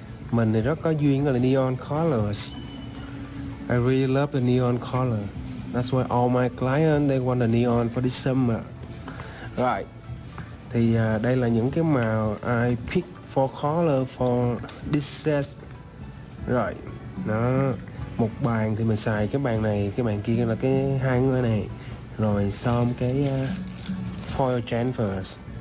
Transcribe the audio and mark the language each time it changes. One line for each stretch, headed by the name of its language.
Vietnamese: Mình thì rất có duyên với Neon Colors.
English: I really love the Neon Color. That's why all my clients, they want the Neon for this summer. Right.
Vietnamese: Thì đây là những cái màu
English: I pick for color for this set. Right.
Vietnamese: Đó. Một bàn thì mình xài cái bàn này, cái bàn kia là cái hai người này. Rồi xong cái foil transfers.